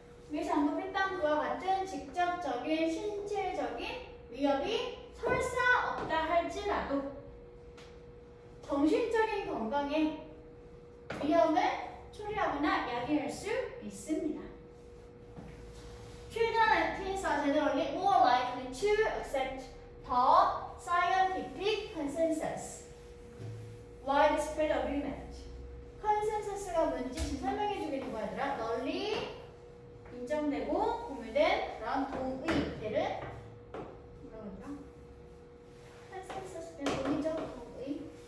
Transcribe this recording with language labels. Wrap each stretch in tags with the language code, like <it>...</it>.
<ko>위에 잠금 핀방구와 같은 직접적인 신체적인 위협이 설사 없다 할지라도 정신적인 건강에 위험을 초래하거나 야기할 수 있습니다.</ko> <en>Children and teens are generally more likely to accept the scientific consensus. Widespread agreement.</en> <ko>컨센서스가 뭔지 지금 설명해 주겠는 거야, 얘들아. 널리 인정되고 공유된 그런 동의들을 뭐라고 그러더라? 컨센서스는 동의적 동의.</ko>